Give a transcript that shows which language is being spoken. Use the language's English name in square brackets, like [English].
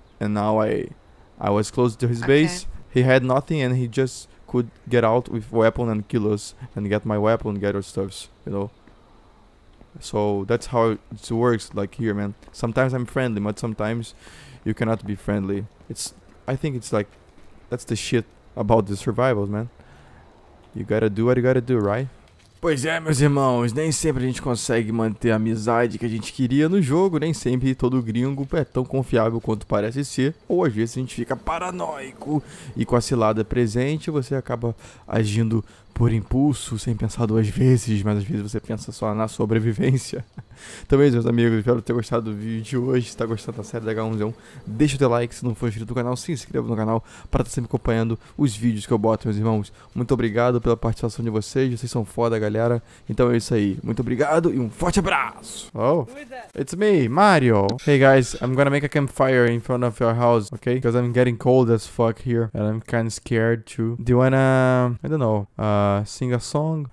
[English] And now I was close to his base. He had nothing and he just could get out with weapon and kill us and get my weapon and get our stuffs, you know. So that's how it works, like here, man. Sometimes I'm friendly, but sometimes you cannot be friendly. I think that's the shit about the survivals, man. You gotta do what you gotta do, right? [Portuguese] Pois é, meus irmãos, nem sempre a gente consegue manter a amizade que a gente queria no jogo, nem sempre todo gringo é tão confiável quanto parece ser, ou às vezes a gente fica paranoico e com a cilada presente você acaba agindo por impulso, sem pensar duas vezes, mas às vezes você pensa só na sobrevivência. Então, meus amigos, espero ter gostado do vídeo de hoje, se está gostando da série da H1Z1, deixa o teu like, se não for inscrito no canal, se inscreva no canal para estar sempre acompanhando os vídeos que eu boto, meus irmãos. Muito obrigado pela participação de vocês, vocês são foda, galera. Então é isso aí, muito obrigado e um forte abraço! [English] Oh, it's me, Mario! Hey, guys, I'm gonna make a campfire in front of your house, okay? Because I'm getting cold as fuck here, and I'm kind of scared too. Do you wanna, I don't know, sing a song?